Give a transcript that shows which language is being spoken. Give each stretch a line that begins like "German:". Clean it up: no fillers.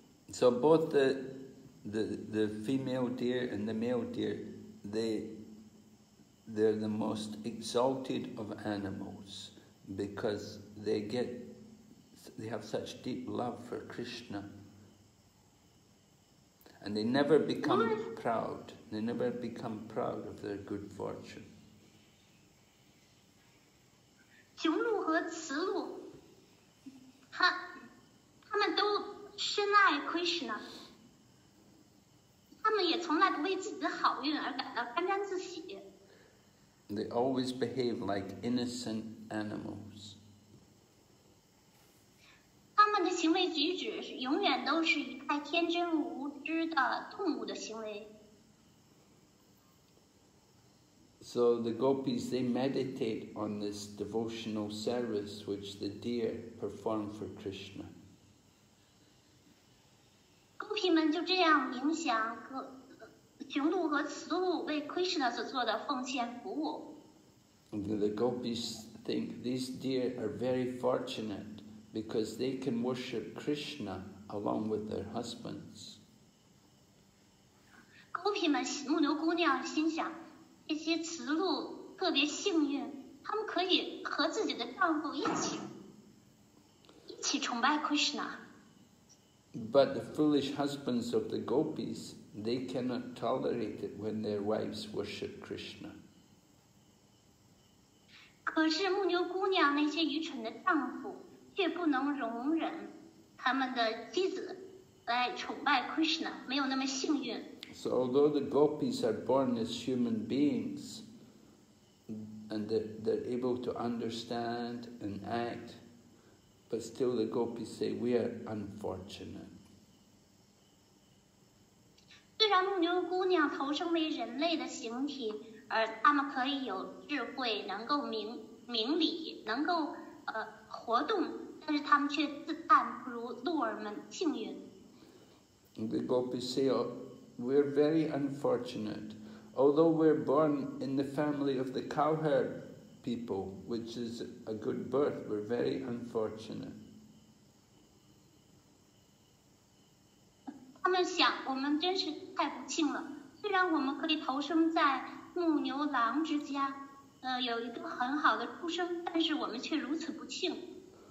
English: So both the female deer and the male deer, they're the most exalted of animals because they have such deep love for Krishna. And they never become proud. They never become proud of their good fortune.
Chinese: 雄鹿和雌鹿，他们都深爱 Krishna， 他们也从来不为自己的好运而感到沾沾自喜。
English: They always behave like innocent animals.
Chinese: 他们的行为举止永远都是一派天真无知的动物的行为。
English: So the gopis, they meditate on this devotional service which the deer perform for Krishna.
Chinese: Gopi 们就这样冥想雄鹿和雌鹿为 Krishna 所做的奉献服务。
English: The gopis think these deer are very fortunate because they can worship Krishna along with their husbands.
Chinese: Gopi 们木牛姑娘心想这些雌鹿特别幸运，他们可以和自己的丈夫一起崇拜 Krishna。
English: But the foolish husbands of the gopis, they cannot tolerate it when their wives worship Krishna.
Chinese: 可是牧牛姑娘那些愚蠢的丈夫却不能容忍他们的妻子来崇拜 Krishna， 没有那么幸运。
English: So although the gopis are born as human beings, and they're able to understand and act, but still the gopis say, we are unfortunate.
Chinese: 虽然牧牛姑娘投生为人类的形体，而她们可以有智慧，能够明理，能够活动，但是她们却自叹不如鹿儿们幸运。
English: The gopis say,We're very unfortunate. Although we're born in the family of the cowherd people, which is a good birth, we're very unfortunate.
Chinese: 他们想，我们真是太不幸了。虽然我们可以投生在牧牛郎之家，有一个很好的出生，但是我们却如此不幸。